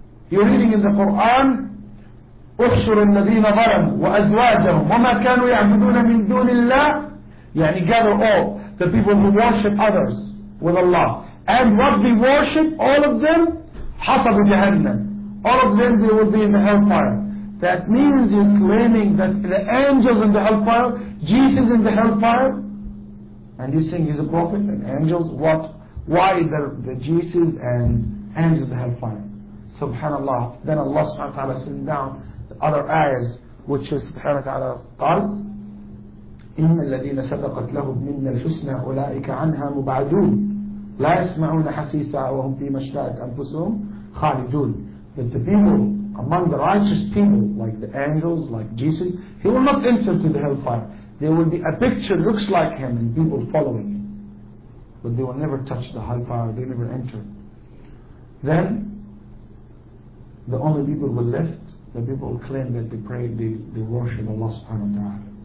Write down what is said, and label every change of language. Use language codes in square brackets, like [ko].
[en] You're reading in the Quran, [ar] اُحْشُرُ الَّذِينَ ظَلَمُوا وَأَزْوَاجَهُمْ وَمَا كَانُوا يَعْبُدُونَ مِن دُونِ اللَّهِ. [en] يعني gather all the people who worship others with Allah. And what they worship, all of them, [ar] حَصَبُ جَهَنَّمْ. [en] All of them, they will be in the hellfire. That means you're claiming that the angels in the hellfire, Jesus in the hellfire, and you're saying he's a prophet and angels, what? Why the Jesus and angels in the hellfire? Subhanallah. Then Allah subhanahu wa ta'ala sent down the other ayahs, which is subhanahu wa ta'ala qal, [ar] إِنَّ الَّذِينَ سَبَقَتْ لَهُمْ مِنَّ الْحُسْنَى أُولَٰئِكَ عَنْهَا مُبَعَدُونَ لَا يَسْمَعُونَ حَسِيسًا وَهُمْ فِي مَشْتَاءَتْ أَنفُسُهُمْ خَالِدُونَ. [en] But the people among the righteous people, like the angels, like Jesus, he will not enter to the hellfire. There will be a picture looks like him and people following him. But they will never touch the hellfire, they never enter. Then, the only people who left, the people who claim that they prayed, they worship Allah subhanahu wa ta'ala.